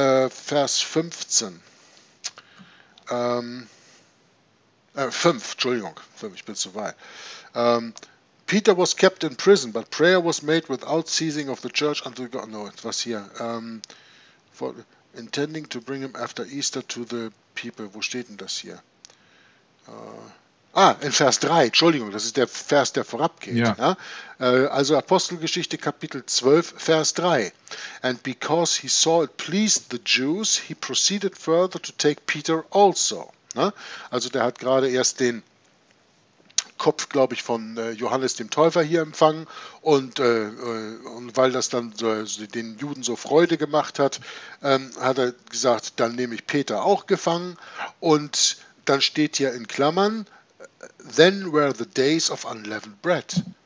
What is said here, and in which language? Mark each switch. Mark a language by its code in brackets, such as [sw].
[de] Vers 15. 5, Entschuldigung. 5, ich bin zu weit. [en] Peter was kept in prison, but prayer was made without ceasing of the church until God. No, it was hier. For intending to bring him after Easter to the people. [de] Wo steht denn das hier? In Vers 3, Entschuldigung, das ist der Vers, der vorabgeht. Ja. Ja? Also Apostelgeschichte, Kapitel 12, Vers 3. [en] And because he saw it pleased the Jews, he proceeded further to take Peter also. [de] Ja? Also der hat gerade erst den Kopf, glaube ich, von Johannes dem Täufer hier empfangen. Und weil das dann so, also den Juden so Freude gemacht hat, hat er gesagt, dann nehme ich Peter auch gefangen. Und dann steht hier in Klammern, [en] then were the days of unleavened bread.